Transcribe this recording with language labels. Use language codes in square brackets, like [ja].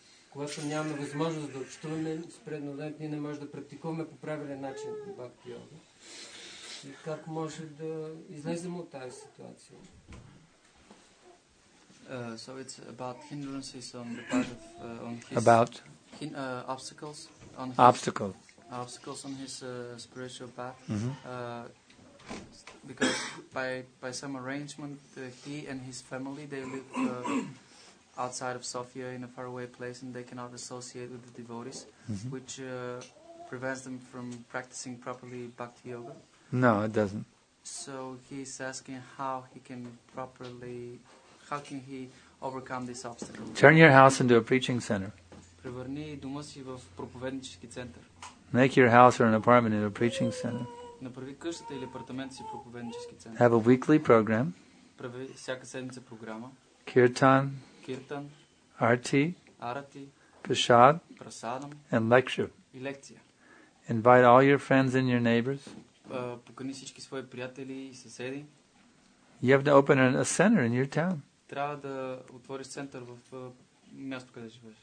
[bg] Когато нямаме възможност да общуваме с преданодателите, ние не можем да практикуваме по правилен начин бхакти йога. И как може да излезем от тази ситуация? [en] So it's about hindrances on the part of on his about obstacles on his obstacles. Obstacles on his spiritual path, mm-hmm. Because by some arrangement, he and his family, they live outside of Sofia in a faraway place, and they cannot associate with the devotees, mm-hmm. which prevents them from practicing properly bhakti yoga. No, it doesn't. So he's asking how he can properly, how can he overcome this obstacle? Turn your house into a preaching center. [bg] Превърни дома си в проповеднически център. [en] Make your house or an apartment into a preaching center. [bg] Направи къщата или апартамента си проповеднически център. [en] Have a weekly program. [bg] Прави всяка седмица програма. [en] Kirtan. Kirtan. Arati. Arati. Prasad. Prasadam. And lecture. [bg] И лекция. [en] Invite all your friends and your neighbors. [bg] Покани всички свои приятели и съседи. [en] You have to open a center in your town. [bg] Трябва да отвориш център в място, къде живееш.